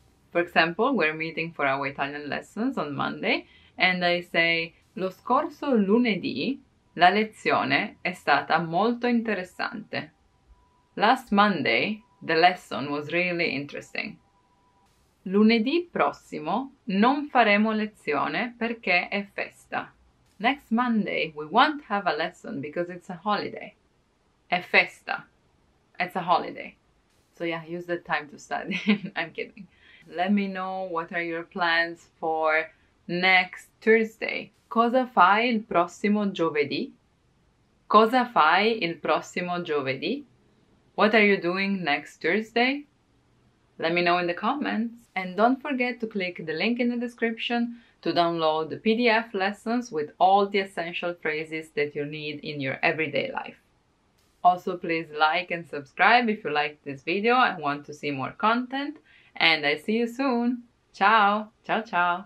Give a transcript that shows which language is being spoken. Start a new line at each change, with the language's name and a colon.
English: For example, we're meeting for our Italian lessons on Monday, and I say,
Italian: lo scorso lunedì la lezione è stata molto interessante.
English: Last Monday, the lesson was really interesting.
Italian: Lunedì prossimo non faremo lezione perché è festa.
English: Next Monday, we won't have a lesson because it's a holiday.
Italian: È festa.
English: It's a holiday. So yeah, use the time to study. I'm kidding. Let me know what are your plans for next Thursday.
Italian: Cosa fai il prossimo giovedì? Cosa fai il prossimo giovedì?
English: What are you doing next Thursday? Let me know in the comments. And don't forget to click the link in the description to download the PDF lessons with all the essential phrases that you need in your everyday life. Also, please like and subscribe if you liked this video and want to see more content. And I see you soon. Ciao. Ciao, ciao.